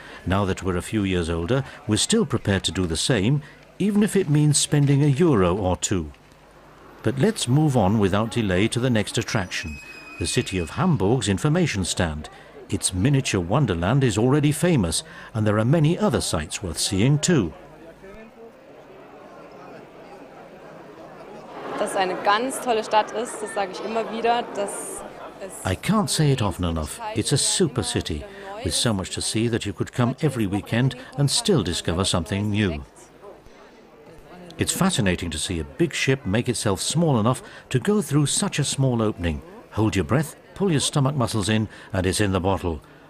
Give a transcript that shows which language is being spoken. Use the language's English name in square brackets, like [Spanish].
[English] Now that we're a few years older, we're still prepared to do the same, even if it means spending a euro or two. But let's move on without delay to the next attraction, the city of Hamburg's information stand. Its miniature wonderland is already famous, and there are many other sights worth seeing too. [German] Das eine ganz tolle Stadt ist, das sage ich immer wieder, das [English] I can't say it often enough. It's a super city, with so much to see that you could come every weekend and still discover something new. It's fascinating to see a big ship make itself small enough to go through such a small opening. Hold your breath, pull your stomach muscles in, and it's in the bottle.